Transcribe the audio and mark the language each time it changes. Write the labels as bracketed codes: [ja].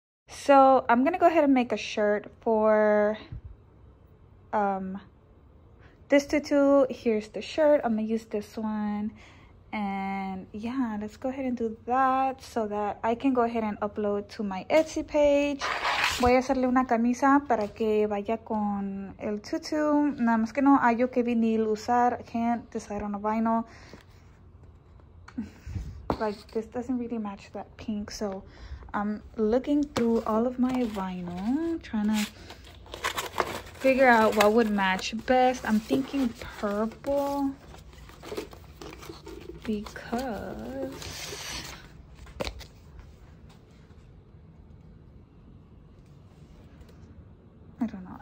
[en] So I'm gonna go ahead and make a shirt for this tutu. Here's the shirt. I'm gonna use this one, and yeah, let's go ahead and do that so that I can go ahead and upload to my Etsy page. [es] Voy a hacerle una camisa para que vaya con el tutu. Nada más que no hallo que vinil usar. [en] I can't decide on a vinyl. Like, this doesn't really match that pink, so I'm looking through all of my vinyl, trying to figure out what would match best. I'm thinking purple because I don't know.